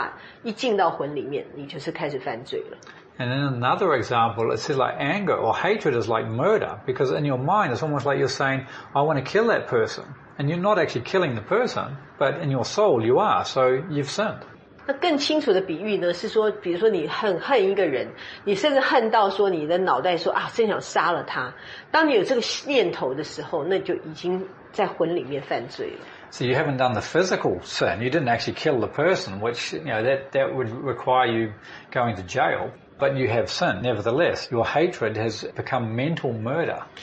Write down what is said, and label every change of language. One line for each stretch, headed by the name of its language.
Chinese: 那但是呢,当你开始你的魂里面去决定接受那一个引诱的那个时刻起呢,那个罪就进到你的魂里面了。就好像用一种错误的方法去想另外一个不是你的太太的女人,然后有什么性关系,那种想法一进到魂里面,你就是开始犯罪了。
English: And in another example, it says like anger or hatred is like murder, because in your mind, it's almost like you're saying, I want to kill that person. And you're not actually killing the person, but in your soul, you are. So you've sinned.
Chinese: 那更清楚的比喻呢,是说,比如说你很恨一个人,你甚至恨到说你的脑袋说,啊,真想杀了他。当你有这个念头的时候,那就已经在魂里面犯罪了。
English: So you haven't done the physical sin. You didn't actually kill the person, which, you know, that would require you going to jail. But you have sinned, nevertheless. Your hatred has become mental murder.